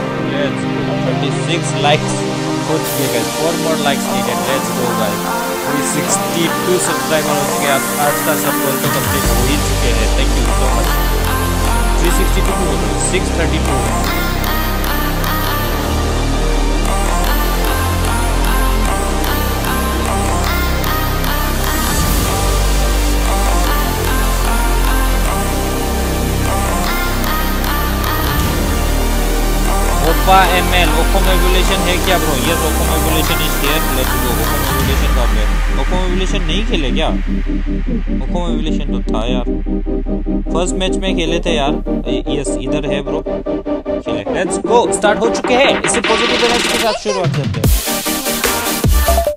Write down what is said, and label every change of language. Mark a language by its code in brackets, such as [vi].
[en] let's 36 likes [hi] हो चुके [en] Guys, 4 more likes needed, let's go guys. [hi] 62 subscribers के आप आज का सपोर्ट तो कंप्लीट हो ही चुके हैं, [en] Thank you so much. [hi] 362 Opa ML, Opa Mobulation है क्या bro? [en] Yes, Opa Mobulation is there. Let's go. [hi] Opa Mobulation कहाँ पे? Opa Mobulation नहीं खेले क्या? Opa Mobulation तो था यार. [en] First match [hi] में खेले थे यार. [en] Yes, [hi] इधर है bro. खेले. [en] Let's go. [hi] Start हो चुके हैं. इसे [en] positive energy [hi] के साथ शुरुआत करते हैं.